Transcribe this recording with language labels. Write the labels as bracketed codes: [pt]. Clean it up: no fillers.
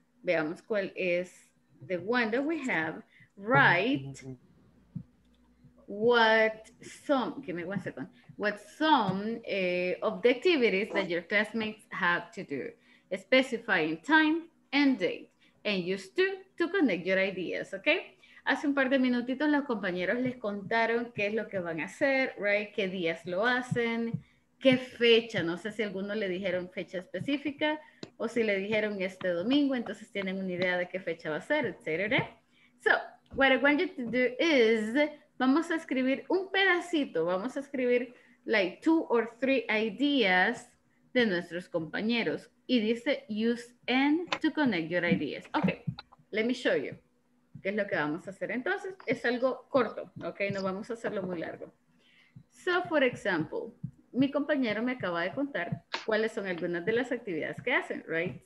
[es] Veamos cuál es [en] the one that we have. Write what some, give me 1 second, what some of the activities that your classmates have to do, specifying time and date, and use to connect your ideas, okay? [es] Hace un par de minutitos los compañeros les contaron qué es lo que van a hacer, right? Qué días lo hacen, qué fecha, no sé si alguno le dijeron fecha específica o si le dijeron este domingo, entonces tienen una idea de qué fecha va a ser, etc. [en] So, what I want you to do is, [es] vamos a escribir un pedacito, vamos a escribir [en] like 2 or 3 ideas [es] de nuestros compañeros. Y dice, [en] use and to connect your ideas. Ok, let me show you. [es] ¿Qué es lo que vamos a hacer? Entonces, es algo corto, ok, no vamos a hacerlo muy largo. So, for example, mi compañero me acaba de contar cuáles son algunas de las actividades que hacen, right?